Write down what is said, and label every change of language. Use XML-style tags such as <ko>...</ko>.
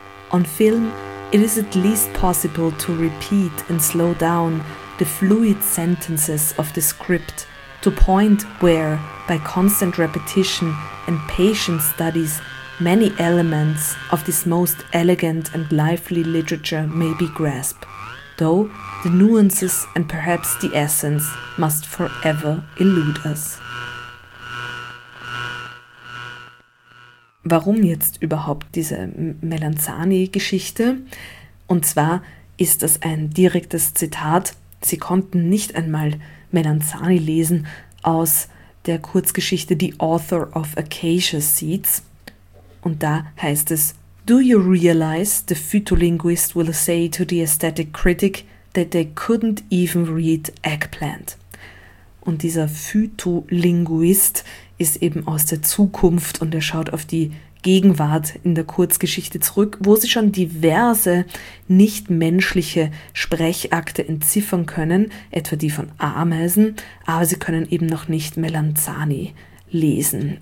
<en>On film, it is at least possible to repeat and slow down the fluid sentences of the script to point where, by constant repetition and patient studies, many elements of this most elegant and lively literature may be grasped, though the nuances and perhaps the essence must forever elude us.</en> <de>Warum jetzt überhaupt diese Melanzani-Geschichte? Und zwar ist das ein direktes Zitat, sie konnten nicht einmal Melanzani lesen, aus der Kurzgeschichte The Author of Acacia Seeds. Und da heißt es,</de> <en>"Do you realize, the phytolinguist will say to the aesthetic critic, that they couldn't even read eggplant."</en> <de>Und dieser Phytolinguist ist eben aus der Zukunft und er schaut auf die Gegenwart in der Kurzgeschichte zurück, wo sie schon diverse nichtmenschliche Sprechakte entziffern können, etwa die von Ameisen, aber sie können eben noch nicht Melanzani lesen.</de>